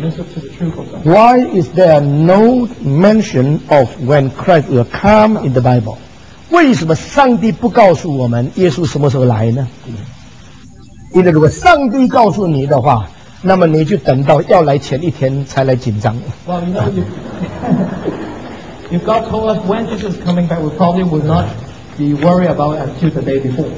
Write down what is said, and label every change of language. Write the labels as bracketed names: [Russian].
[English] Why is there no mention of when Christ will come in the Bible？ [Chinese] 为什么上帝不告诉我们耶稣什么时候来呢？因为如果上帝告诉你的话，那么你就等到要来前一天才来紧张。 [English] Well, you know, if God told us when Jesus is coming back, we probably would not be worried about it until the day before.